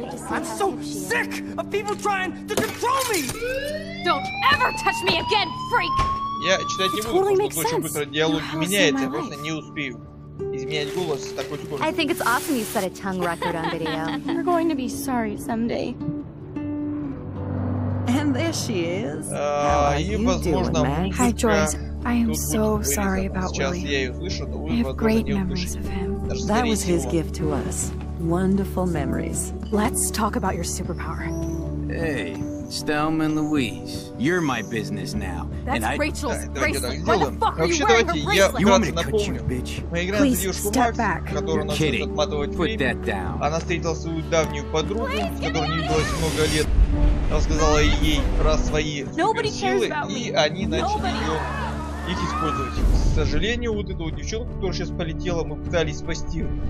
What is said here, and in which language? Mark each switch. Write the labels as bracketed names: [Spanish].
[English] I'm so sick of people trying to control me! Don't ever touch me again, freak! [Russian] Я читать не буду, потому что очень быстро диалог меняется, я просто не успею изменять голос с такой скоростью. [English] I think it's awesome you set a tongue record on video. You're going to be sorry someday. And there she is. Hi, Joyce. I am so sorry about William. I have great memories of him. That was his gift to us. Wonderful memories. Let's talk about your superpower. Hey, Stelma and Louise. You're my business now. That's Rachel's bracelet. Why the fuck are you wearing her bracelet? You want me to cut you, bitch? Please, step back. You're kidding. Put that down. [Russian] Она встретила свою давнюю подругу, с которой не виделась много лет. Рассказала ей про свои силы, и они начали их использовать. К сожалению, вот эту вот девчонку, которая сейчас полетела, мы пытались спасти.